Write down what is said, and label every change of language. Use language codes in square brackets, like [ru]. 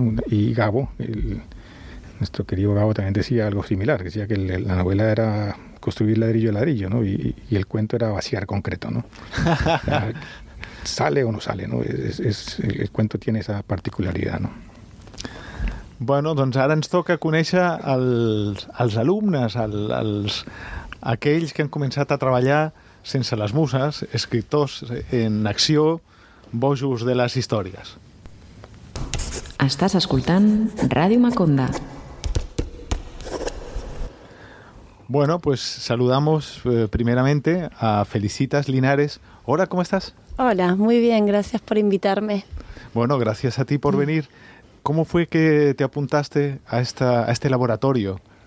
[es] Y Gabo, nuestro querido Gabo, también decía algo similar, decía que la novela era construir ladrillo a ladrillo, ¿no? Y el cuento era vaciar concreto, ¿no? Sale o no sale, ¿no? El cuento tiene esa particularidad, ¿no? [ca] Bueno, doncs ara ens toca conèixer els alumnes, els aquells que han començat a treballar sense les muses, escriptors en acció, bojos de les històries. Estàs escoltant Ràdio Maconda. [es] Bueno, pues saludamos primeramente a Felicitas Linares. Hola, ¿cómo estás? Hola, muy bien, gracias por invitarme. Bueno, gracias a ti por venir. ¿Cómo fue que te apuntaste a este laboratorio?